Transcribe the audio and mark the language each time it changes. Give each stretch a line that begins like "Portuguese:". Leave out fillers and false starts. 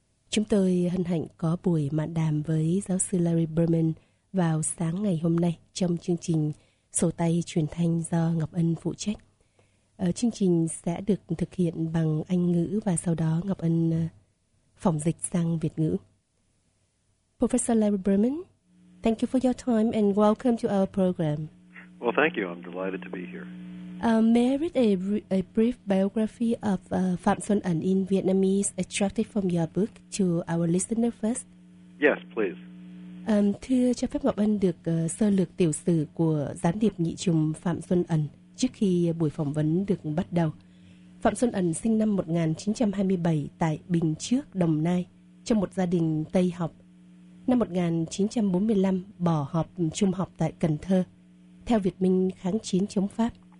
Vietnamese: Chúng tôi hân hạnh có buổi mạn đàm với giáo sư Larry Berman vào sáng ngày hôm nay trong chương trình sổ tay truyền thanh do Ngọc Ân phụ trách. Chương trình sẽ được thực hiện bằng Anh ngữ và sau đó Ngọc Ân phỏng dịch sang Việt ngữ.
English: Professor Larry Berman, thank you for your time and welcome to our program. Well, thank you. I'm delighted to be here. May I read a brief biography of Phạm Xuân Ẩn in Vietnamese extracted from your book to our listener first? Yes, please.
Vietnamese: Thưa, cho phép Ngọc Ân được sơ lược tiểu sử của gián điệp nhị trùng Phạm Xuân Ẩn trước khi buổi phỏng vấn được bắt đầu. Phạm Xuân Ẩn sinh năm 1927 tại Bình Trước, Đồng Nai, trong một gia đình Tây học. Năm 1945, bỏ học trung học tại Cần Thơ, theo Việt Minh kháng chiến chống Pháp.